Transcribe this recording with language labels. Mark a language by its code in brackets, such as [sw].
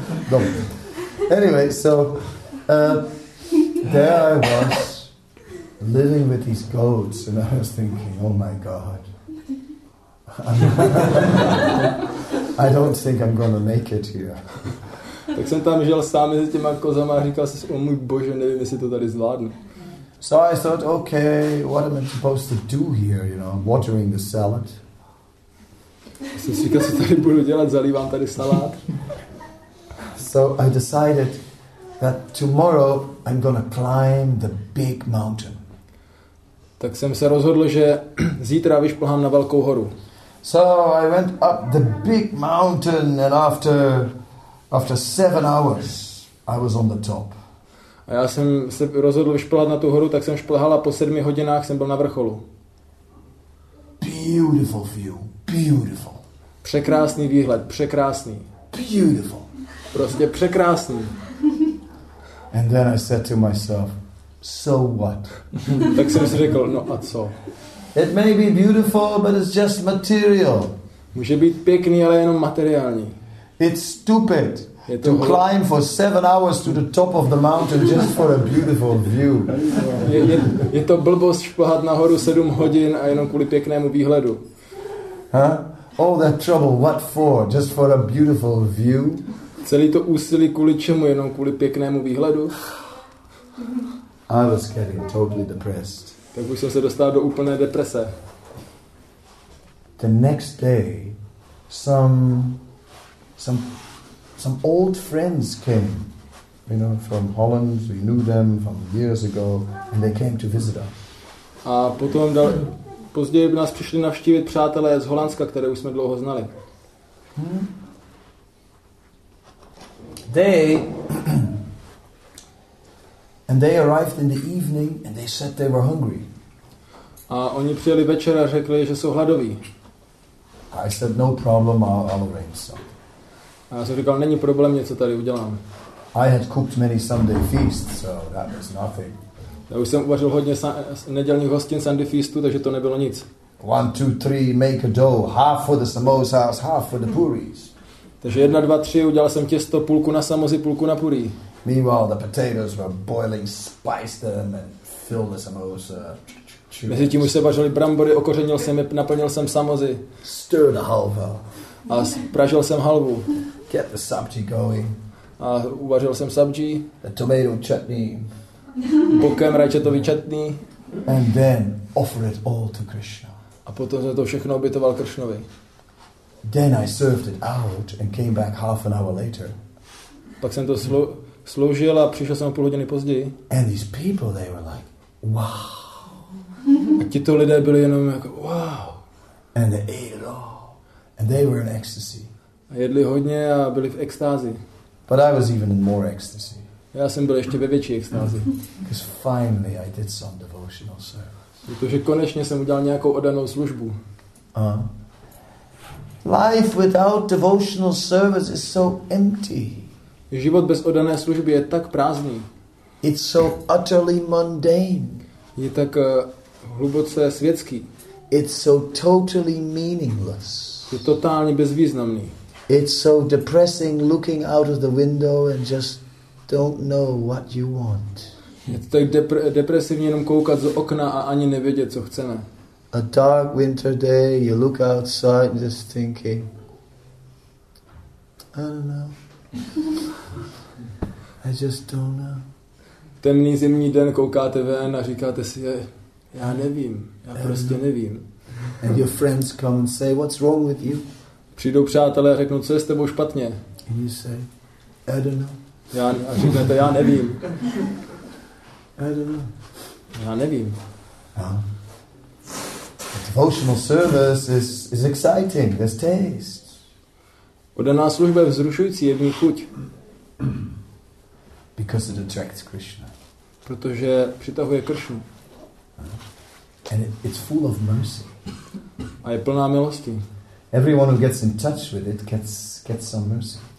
[cs] Dobře. [en] Anyway, so, there I was, living with these goats, and I was thinking, oh my God. I don't think I'm gonna make it here. [cs] Tak jsem tam žil sám mezi těma kozama a říkal jsem si, o můj bože, nevím, jestli to tady zvládnu. [en] So I thought, okay, what am I supposed to do here, you know, watering the salad? [cs] Jsem si říkal, co tady budu dělat, zalívám tady salát. [en] So I decided that tomorrow I'm gonna climb the big mountain. [cs] Tak jsem se rozhodl, že zítra vyšplhám na velkou horu. [en] So I went up the big mountain and after 7 hours I was on the top. [cs] A já jsem se rozhodl vyšplhat na tu horu, tak jsem šplhal a po 7 hodinách jsem byl na vrcholu. [en] Beautiful view, beautiful. [cs] Překrásný výhled, překrásný. [en] Beautiful. [cs] Prostě překrásný. [en] And then I said to myself, so what? [cs] Tak jsem si řekl, no a co? [en] It may be beautiful, but it's just material. [cs] Může být pěkný, ale jenom materiální. [en] It's stupid to climb for 7 hours to the top of the mountain just for a beautiful view. [cs] Je to blbost šplhat nahoru 7 hodin a jenom kvůli pěknému výhledu. [en] Huh? All that trouble, what for? Just for a beautiful view? [cs] Celý to úsilí kvůli čemu? Jenom kvůli pěknému výhledu? [en] I was getting totally depressed. [cs] Tak už jsem se dostal do úplné deprese. [en] The next day some old friends came, you know, from Holland. We knew them from years ago and they came to visit us. [cs] A potom později nás přišli navštívit přátelé z Holandska, které už jsme dlouho znali. [en] They arrived in the evening and they said they were hungry. [cs] A oni přijeli večer a řekli, že jsou hladoví. [en] I said, no problem, I'll arrange something. [cs] A já jsem říkal, není problém, něco tady udělám. [en] I had cooked many Sunday feasts, so that was nothing. [cs] Já už jsem uvařil hodně nedělních hostin Sunday feastů, takže to nebylo nic. [en] 1, 2, 3, make a dough, half for the samosas, half for the puris. [cs] Takže 1, 2, 3, udělal jsem těsto, půlku na samozy, půlku na purí. [en] Meanwhile, the potatoes were boiling, spiced them and filled the samosa. [cs] Mezi tím už se vařily brambory, okořenil jsem je, naplnil jsem samozy. [en] Stirred a halva. [cs] A spražil jsem halvu. [en] Get the sabji going. [cs] A uvařil jsem sabji. [en] A tomato chutney. [cs] Bokem rajčetový chutney. [en] And then offer it all to Krishna. [cs] A potom jsem to všechno obětoval Kršnovi. [en] Then I served it out and came back half an hour later. [cs] Pak jsem to sloužil a přišel jsem o půl hodiny později. [en] And these people, they were like, wow. [cs] A tito lidé byli jenom jako wow. [en] And they ate it all. And they were in ecstasy. [cs] A jedli hodně a byli v extázi. [en] But I was even in more ecstasy. [cs] Já jsem byl ještě ve větší extázi. [en] Because finally I did some devotional service. [cs] Protože konečně jsem udělal nějakou oddanou službu. [en] Life without devotional service is so empty. [cs] Život bez oddané služby je tak prázdný. [en] It's so utterly mundane. [cs] Je tak hluboce světský. [en] It's so totally meaningless. [cs] Je totálně bezvýznamný. [en] It's so depressing looking out of the window and just don't know what you want. [cs] Je to tak depresivní jenom koukat z okna a ani nevědět, co chceme. [en] A dark winter day, you look outside and just thinking, I don't know. I just don't know. [cs] Temný zimní den, koukáte ven a říkáte si, já nevím, já prostě nevím. [en] And your friends come and say, what's wrong with you? [cs] přijdou přátelé a řeknou, co je s tebou špatně. [en] And you say, I don't know. [cs] Já, a říkáte, já nevím. [en] I don't know. [cs] Já nevím. [en] A devotional service is exciting, there's taste. [cs] Odaná služba je vzrušující, je v ní chuť. [en] Because it attracts Krishna. [cs] Protože přitahuje Kršnu. [en] And it's full of mercy. [cs] A je plná milosti. [en] Everyone who gets in touch with it gets some mercy.